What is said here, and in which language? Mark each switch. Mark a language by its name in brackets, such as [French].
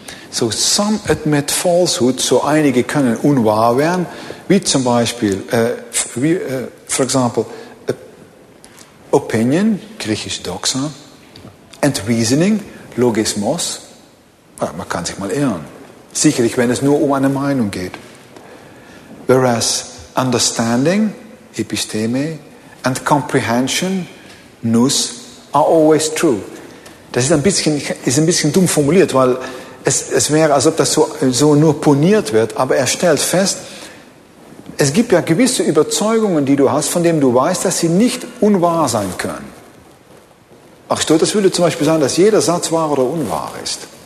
[English] So, some admit falsehood, [German] so einige können unwahr werden, wie zum Beispiel, [English] for example, opinion, [German] griechisch doxa, [English] and reasoning, [German] logismos, ja, man kann sich mal irren, sicherlich, wenn es nur um eine Meinung geht. [English] Whereas understanding, episteme, and comprehension, nous, are always true. [German] Das ist ein bisschen dumm formuliert, weil es wäre, als ob das so nur poniert wird, aber er stellt fest, es gibt ja gewisse Überzeugungen, die du hast, von denen du weißt, dass sie nicht unwahr sein können. Aristoteles würde zum Beispiel sagen, dass jeder Satz wahr oder unwahr ist.